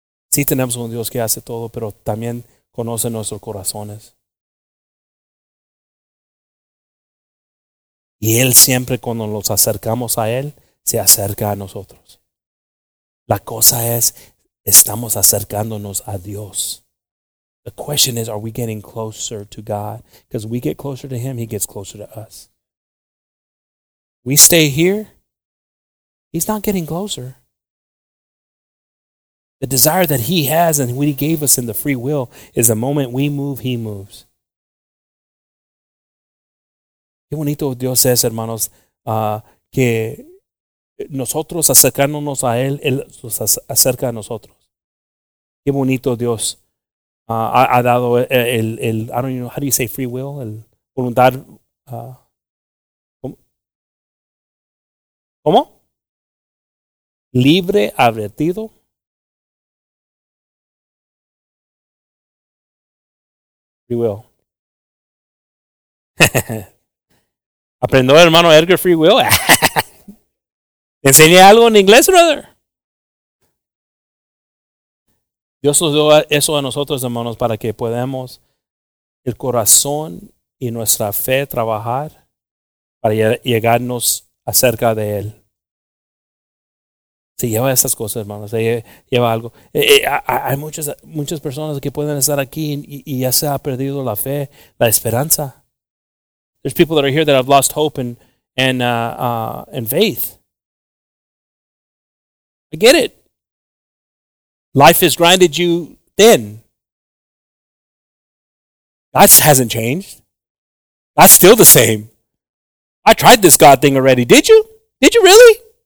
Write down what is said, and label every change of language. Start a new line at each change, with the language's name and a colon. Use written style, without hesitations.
Spanish: Sí tenemos un Dios que hace todo, pero también conoce nuestros corazones. Y Él siempre, cuando nos acercamos a Él, se acerca a nosotros. La cosa es, estamos acercándonos a Dios.
English: The question is, are we getting closer to God? Because we get closer to Him, He gets closer to us. We stay here, He's not getting closer. The desire that He has and what He gave us in the free will is the moment we move, He moves.
Spanish: Qué bonito Dios es, hermanos, que nosotros acercándonos a Él, Él nos acerca a nosotros. Qué bonito Dios. Ha dado el
English: I don't know, how do you say free will?
Spanish: El voluntad. ¿Cómo? Libre advertido.
English: Free will.
Spanish: ¿Aprendió el hermano Edgar free will? ¿Enseñé algo en inglés, brother? Dios nos dio eso a nosotros, hermanos, para que podamos el corazón y nuestra fe trabajar para llegarnos acerca de Él. Se lleva esas cosas, hermanos, se lleva algo. Hay muchas personas que pueden estar aquí y ya se ha perdido la fe, la esperanza.
English: There's people that are here that have lost hope and faith. I get it. Life has grinded you thin. That hasn't changed. That's still the same. I tried this God thing already. Did you? Did you really?